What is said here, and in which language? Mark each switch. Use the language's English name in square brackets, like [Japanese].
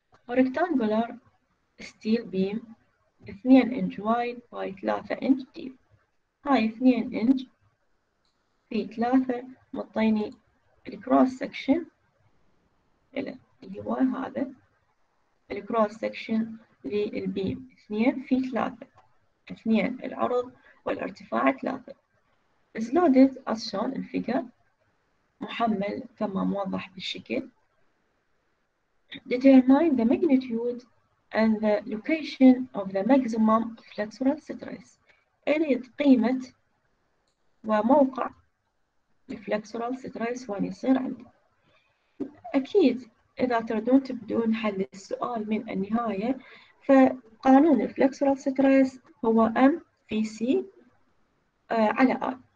[English] Rectangular steel beam 2 inch wide by 3 inch deep. [Arabic] هاي 2 inch في 3 مطيني الكروس سكشن، اللي هو هذا الكروس سكشن للبيم 2 في 3، 2 العرض والارتفاع 3. [English] is loaded as shown in figure، [Arabic] محمل كما موضح بالشكل. [English] Determine the magnitude and the location of the maximum flexural stress. [Arabic] أريد قيمة وموقع الفلكسورال ستريس وين يصير عندي. أكيد إذا تردون تبدون حل السؤال من النهاية، فقانون الفلكسورال ستريس هو M في C على R.